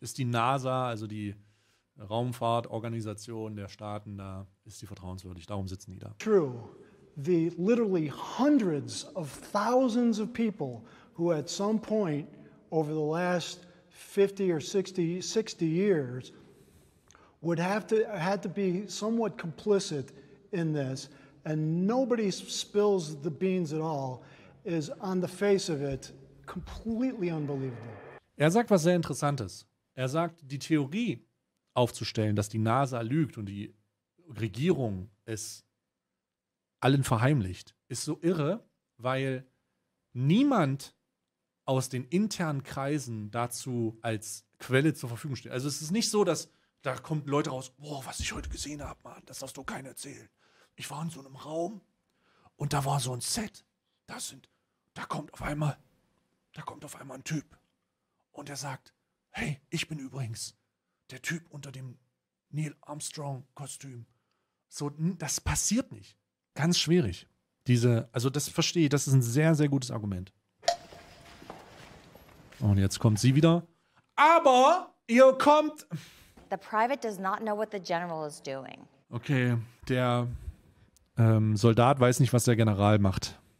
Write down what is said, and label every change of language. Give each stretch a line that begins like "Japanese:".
German: Ist die NASA, also die Raumfahrtorganisation der Staaten, da ist sie vertrauenswürdig. Darum sitzen die da.
English: True. The literally hundreds of thousands of people who at some point over the last 50 or 60 years would have to had to be somewhat complicit in this, and nobody spills the beans at all, is on the face of it completely unbelievable.
German: Er sagt was sehr Interessantes. Er sagt, die Theorie aufzustellen, dass die NASA lügt und die Regierung es allen verheimlicht, ist so irre, weil niemand aus den internen Kreisen dazu als Quelle zur Verfügung steht. Also es ist nicht so, dass da kommt Leute raus, boah, was ich heute gesehen habe, Mann, das darfst du keinem erzählen. Ich war in so einem Raum und da war so ein Set. Da kommt auf einmal ein Typ und er sagt, hey, ich bin übrigens der Typ unter dem Neil Armstrong-Kostüm. So, das passiert nicht. Ganz schwierig. Also das verstehe ich, das ist ein sehr, sehr gutes Argument. Und jetzt kommt sie wieder. Aber ihr kommt...
English: The private does not know what the general is doing.
German: Okay, der Soldat weiß nicht, was der General macht.